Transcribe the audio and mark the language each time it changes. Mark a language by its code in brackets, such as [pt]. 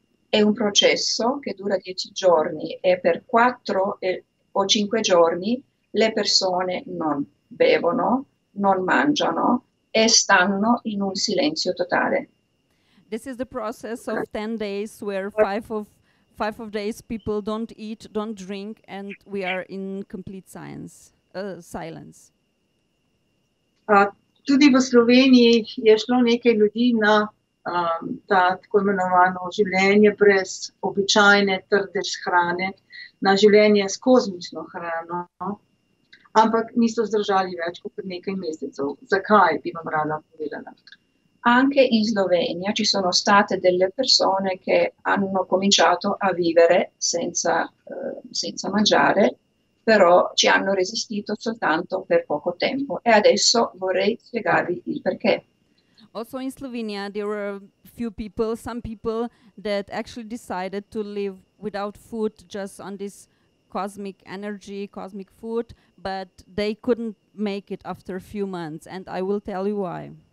[it] È un processo che dura 10 giorni e per 4 o 5 giorni le persone non bevono, non mangiano e stanno in un silenzio totale. [en] This is the process of 10 days where five of days people don't eat, don't drink and we are in complete silence. [sl] Tudi v Sloveniji je šlo nekaj ljudi na ta tako imenovano življenje brez običajne trde hrane, na življenje s kozmično hrano, ampak niso zdržali več kot nekaj mesecev. Zakaj, bi vam rada povedala? [it] Anche in Slovenia ci sono state delle persone che hanno cominciato a vivere senza mangiare, però ci hanno resistito soltanto per poco tempo. E adesso vorrei spiegarvi il perché. [en] Also in Slovenia there were a few people, some people that actually decided to live without food, just on this cosmic energy, cosmic food, but they couldn't make it after a few months, and I will tell you why.